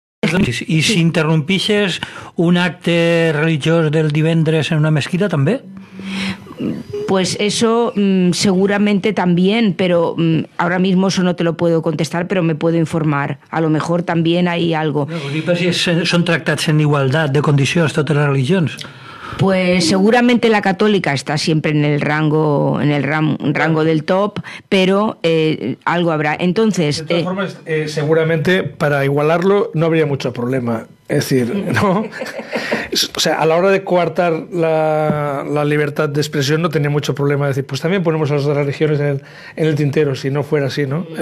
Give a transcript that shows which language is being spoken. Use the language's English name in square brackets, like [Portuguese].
[Catalan] I si interrompixes un acte religiós del divendres en una mesquita, també? [Spanish] Pues eso seguramente también, pero ahora mismo eso no te lo puedo contestar, pero me puedo informar. A lo mejor también hay algo. [Catalan] No, si són tractats en igualtat de condicions totes les religions. [Spanish] Pues seguramente la católica está siempre en el rango del top, pero algo habrá. Entonces, de todas formas, seguramente para igualarlo no habría mucho problema. Es decir, ¿no? O sea, a la hora de coartar la libertad de expresión no tenía mucho problema decir, pues también ponemos a las otras religiones en el tintero, si no fuera así, ¿no?